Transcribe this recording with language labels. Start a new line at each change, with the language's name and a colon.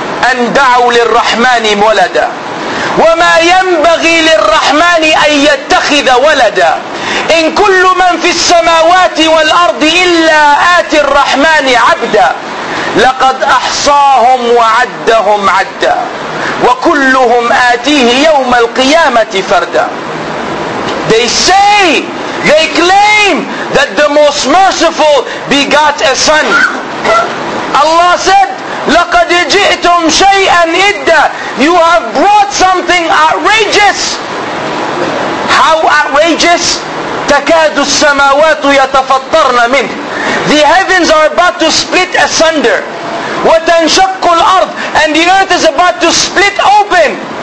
Arabic: أَنْ دَعُوا لِلرَّحْمَنِ وَلَدًا وَمَا يَنْبَغِي لِلرَّحْمَنِ أَنْ يَتَّخِذَ وَلَدًا إِنْ كُلُّ مَنْ فِي السَّمَاوَاتِ وَالْأَرْضِ إِلَّا آتِي الرَّحْمَنِ عَبْدًا لَقَدْ أَحْصَاهُمْ وَعَدَّهُمْ عَدًّا وَكُلُّهُمْ آتِيهِ يَوْمَ الْقِيَامَةِ فَرْدًا.
English: They say, they claim that the most merciful begot a son. Allah said,
Arabic: لَقَدْ جِئْتُمْ شَيْئًا إِدَّا.
English: You have brought something outrageous. How outrageous?
Arabic: تَكَادُ السَّمَاوَاتُ يَتَفَطَّرْنَ مِنْهِ.
English: The heavens are about to split asunder.
Arabic: وَتَنْشَقُّ الْأَرْضِ.
English: And the earth is about to split open.